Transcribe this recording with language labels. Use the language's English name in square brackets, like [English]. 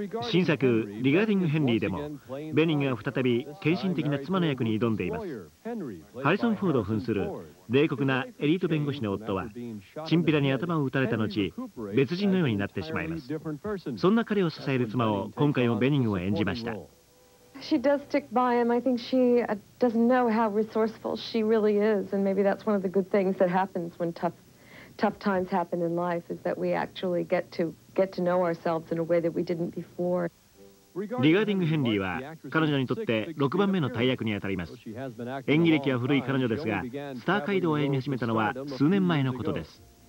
[Japanese] 新作リガーディングヘンリーでも、ベニングは再び献身的な妻の役に挑んでいます。ハリソン・フォードを扮する冷酷なエリート弁護士の夫は、チンピラに頭を撃たれた後別人のようになってしまいます。そんな彼を支える妻を今回もベニングは演じました。 [English] She does stick by him. I think she doesn't know how resourceful she really is, and maybe that's one of the good things that happens when tough times happen in life, is that we actually get to know ourselves in a way that we didn't before. [Japanese] リガーディング・ヘンリーは彼女にとって6番目の大役にあたります。演技歴は古い彼女ですが、スター街道を歩み始めたのは数年前のことです。